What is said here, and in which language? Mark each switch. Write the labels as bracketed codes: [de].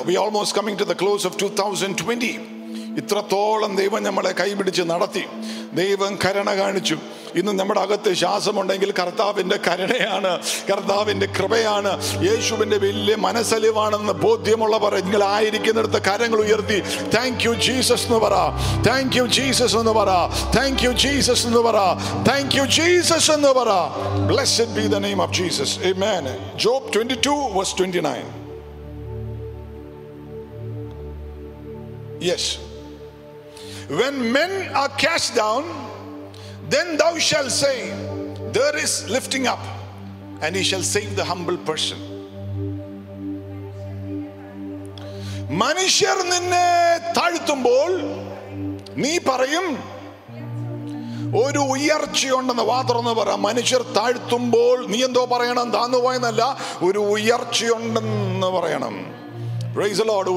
[en] We are almost coming to the close of 2020. [ml] ഇത്രത്തോളം ദൈവം നമ്മളെ കൈപിടിച്ച് നടത്തി. ദൈവം കരുണ കാണിച്ചു. ഇന്ന് നമ്മുടെ അകത്ത് ശ്വാസമുണ്ടെങ്കിൽ കർത്താവിൻ്റെ കരുണയാണ്, കർത്താവിൻ്റെ കൃപയാണ്, യേശുവിൻ്റെ വലിയ മനസ്സലിവാണെന്ന് ബോധ്യമുള്ള പറ നിങ്ങൾ ആയിരിക്കുന്നിടത്ത് കരങ്ങൾ ഉയർത്തി [en] thank you Jesus [ml] എന്ന് പറ. [en] thank you Jesus [ml] എന്ന് പറ. [en] Thank you Jesus എന്ന് പറ. Thank you Jesus എന്ന് പറ. Blessed be the name of Jesus. ആമേൻ. Job 22:29. Yes. When men are cast down, then thou shalt say, there is lifting up, and he shall save the humble person. [ml] Manishyar ninne thaazhthumbol nee parayum ഒരു ഉയർച്ചയുണ്ടെന്ന് മാത്രമെന്ന് പറയാം. മനുഷ്യർ താഴ്ത്തുമ്പോൾ നീ എന്തോ പറയണം താന്ന് പോയെന്നല്ല, ഒരു ഉയർച്ചയുണ്ടെന്ന് പറയണം. [en] Praise the Lord.